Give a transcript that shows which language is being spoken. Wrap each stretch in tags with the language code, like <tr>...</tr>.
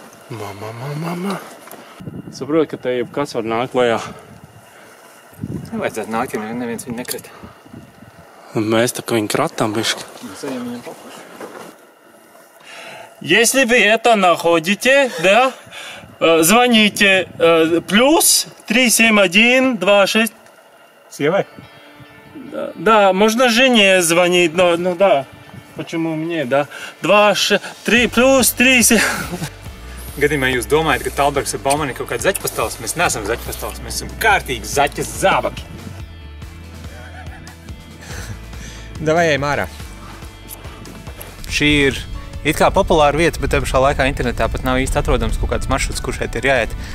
<lv>Mama, mama, mama. Saprot, ka te jau kas var nākt lejā. Nevajadzētu nākt, ja neviens viņu nekrit. Un mēs tā kā viņu kratām biški. Mēs ejam viņam papušu.</lv> <ru>Если вы это находите, да, звоните плюс 371-26... Сьевай? Да, можно жене звонить, но, ну да. Почему мне, да? 2-3, плюс 3-7...</ru> <lv>Gadījumā jūs domājat, ka Talbergs ar Baumani kaut kāds zaķpastāls? Mēs neesam zaķpastāls, mēs esam kārtīgi zaķas zābaki. Davai ejam ārā. Šī ir it kā populāra vieta, bet tiem šā laikā internetā pat nav īsti atrodams kaut kāds maršruts, kur šeit ir jāiet.</lv>